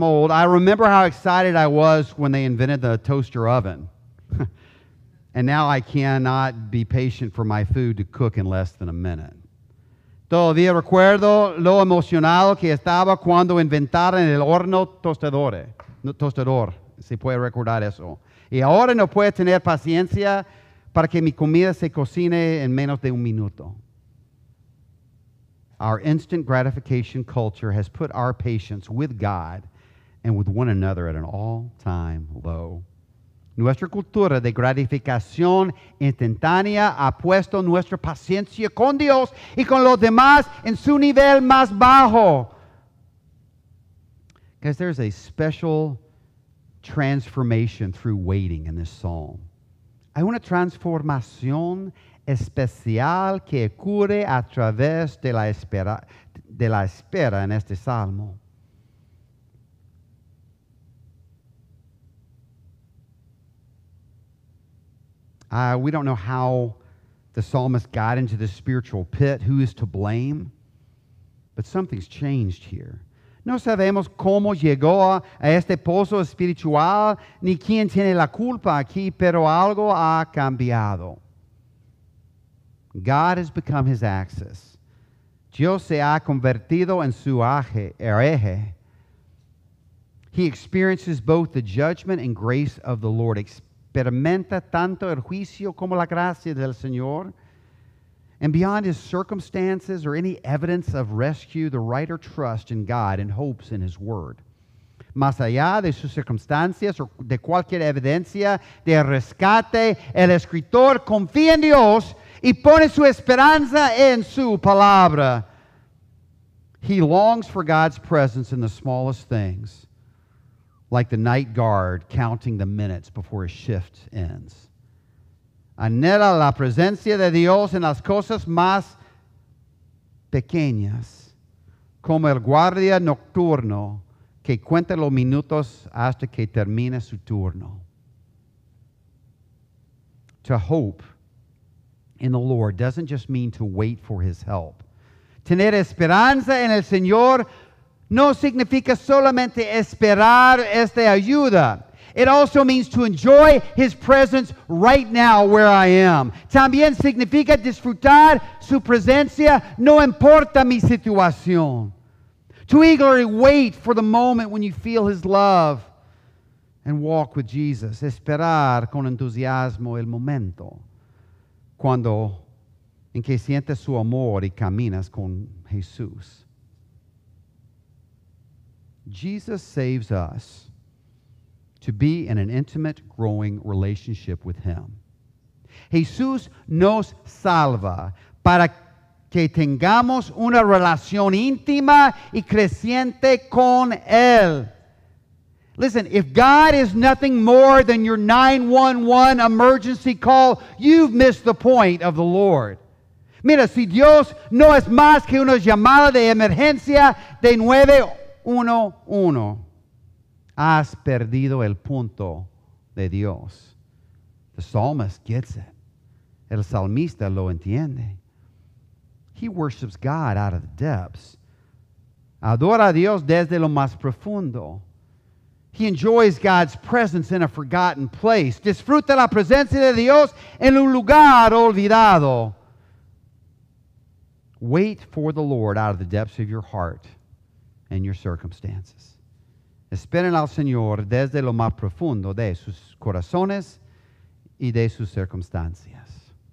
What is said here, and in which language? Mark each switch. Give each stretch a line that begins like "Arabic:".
English: I remember how excited I was when they invented the toaster oven. And now I cannot be patient for my food to cook in less than a minute.
Spanish: Todavía recuerdo lo emocionado que estaba cuando inventaron el horno tostador. Se puede recordar eso. Y ahora no puedo tener paciencia para que mi comida se cocine en menos de un minuto.
English: Our instant gratification culture has put our patience with God and with one another at an all-time low.
Spanish: Nuestra cultura de gratificación instantánea ha puesto nuestra paciencia con Dios y con los demás en su nivel más bajo.
English: Because there's a special transformation through waiting in this psalm.
Spanish: Hay una transformación especial que ocurre a través de la espera en este salmo.
English: We don't know how the psalmist got into this spiritual pit, who is to blame, but something's changed here.
Spanish: No sabemos cómo llegó a este pozo espiritual, ni quién tiene la culpa aquí, pero algo ha cambiado.
English: God has become his axis.
Spanish: Dios se ha convertido en su eje.
English: He experiences both the judgment and grace of the Lord.
Spanish: Experimenta tanto el juicio como la gracia del Señor.
English: And beyond his circumstances or any evidence of rescue, the writer trusts in God and hopes in his word.
Spanish: Más allá de sus circunstancias o de cualquier evidencia de rescate, el escritor confía en Dios y pone su esperanza en su palabra.
English: He longs for God's presence in the smallest things, like the night guard counting the minutes before his shift ends.
Spanish: Anhela la presencia de Dios en las cosas más pequeñas, como el guardia nocturno que cuenta los minutos hasta que termine su turno.
English: To hope in the Lord doesn't just mean to wait for his help.
Spanish: Tener esperanza en el Señor no significa solamente esperar esta ayuda.
English: It also means to enjoy his presence right now where I am.
Spanish: También significa disfrutar su presencia, no importa mi situación.
English: To eagerly wait for the moment when you feel his love and walk with Jesus.
Spanish: Esperar con entusiasmo el momento cuando en que sientes su amor y caminas con Jesús.
English: Jesus saves us to be in an intimate, growing relationship with him.
Spanish: Jesús nos salva para que tengamos una relación íntima y creciente con él.
English: Listen, if God is nothing more than your 911 emergency call, you've missed the point of the Lord.
Spanish: Mira, si Dios no es más que una llamada de emergencia de 911, has perdido el punto de Dios.
English: The psalmist gets it.
Spanish: El salmista lo entiende.
English: He worships God out of the depths.
Spanish: Adora a Dios desde lo más profundo.
English: He enjoys God's presence in a forgotten place.
Spanish: Disfruta la presencia de Dios en un lugar olvidado.
English: Wait for the Lord out of the depths of your heart and your circumstances.
Spanish: Esperen al Señor desde lo más profundo de sus corazones y de sus circunstancias.